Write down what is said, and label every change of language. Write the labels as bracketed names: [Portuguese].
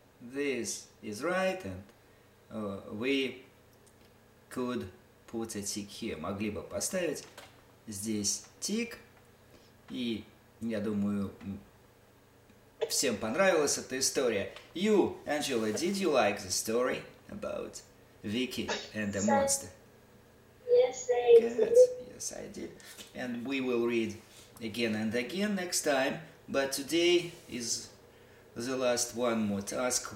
[English] This is right, and we could put a tick here. [Russian] Могли бы поставить здесь тик. И я думаю, всем понравилась эта история. [English] You, Angela, did you like the story about Vicky and the monster? Yes, I did. And we will read again and again next time. But today is the last one more task.